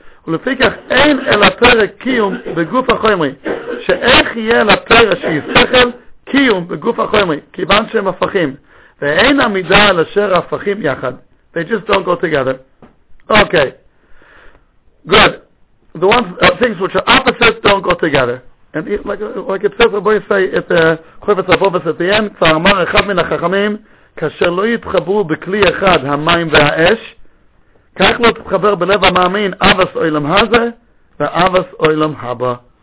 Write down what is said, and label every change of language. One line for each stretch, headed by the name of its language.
Hebrew: ולפי כך אין אל התורה קיום בגוף החומרי. שאיך יהיה לתורה שהיא שכל קיום בגוף החומרי? כיוון שהם הפכים. ואין עמידה על אשר הפכים יחד.
English: They just don't go together. Okay. Good. The ones, things which are opposites don't go together. And it, like it says, boy, say at the chovetz avovetz at the end,
Hebrew: כבר אמר אחד מן החכמים, כאשר לא יתחברו בכלי אחד המים והאש, כך לא תתחבר בלב המאמין אבס אוילם הזה ואבס אוילם הבא.